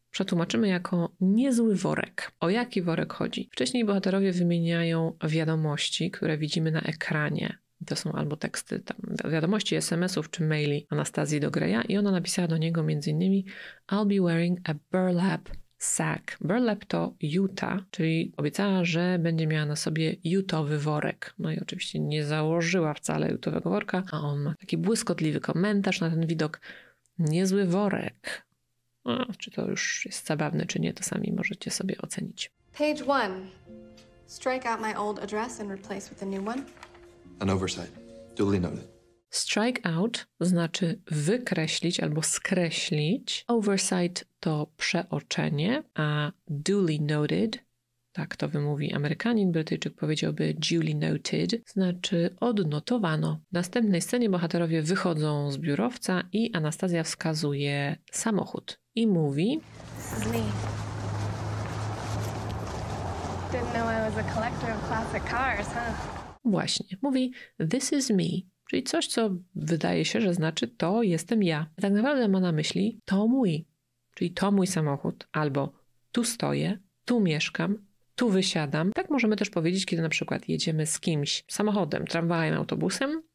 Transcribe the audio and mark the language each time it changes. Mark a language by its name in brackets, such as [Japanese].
[Polish] Przetłumaczymy jako niezły worek. O jaki worek chodzi? Wcześniej bohaterowie wymieniają wiadomości, które widzimy na ekranie. To są albo teksty, tam wiadomości SMS-ów czy maili Anastazji do Greya i ona napisała do niego m.in. [English] I'll be wearing a burlap sack. [Polish] Burlap to juta, czyli obiecała, że będzie miała na sobie jutowy worek. No i oczywiście nie założyła wcale jutowego worka, a on ma taki błyskotliwy komentarz na ten widok. Niezły worek. O, czy to już jest zabawne, czy nie, to sami możecie sobie ocenić. [English] Page one. Strike out my old address and replace with a new one. An oversight. Duly noted. [Polish] Strike out znaczy wykreślić albo skreślić. Oversight to przeoczenie, a duly noted, tak to wymówi Amerykanin, Brytyjczyk powiedziałby duly noted, znaczy odnotowano. W następnej scenie bohaterowie wychodzą z biurowca i Anastazja wskazuje samochód i mówi... [English] This is me. Didn't know I was a collector of classic cars, huh? [Polish] Właśnie, mówi [English] this is me. [Polish] Czyli coś, co wydaje się, że znaczy to jestem ja. Tak naprawdę ma na myśli to mój, czyli to mój samochód. Albo tu stoję, tu mieszkam, tu wysiadam. Tak możemy też powiedzieć, kiedy na przykład jedziemy z kimś samochodem, tramwajem, autobusem.